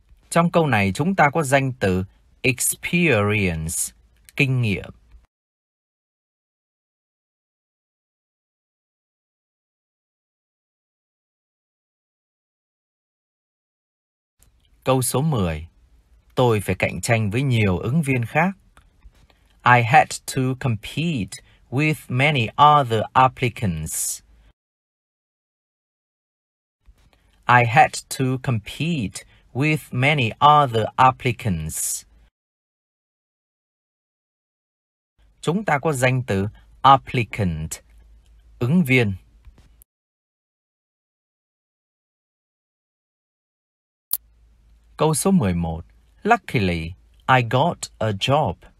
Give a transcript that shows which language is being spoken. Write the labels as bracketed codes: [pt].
[vi] Trong câu này chúng ta có danh từ experience, kinh nghiệm. Câu số 10. Tôi phải cạnh tranh với nhiều ứng viên khác. [en] I had to compete with many other applicants. I had to compete with many other applicants. [vi] Chúng ta có danh từ applicant, ứng viên. Câu số 11. [en] Luckily, I got a job.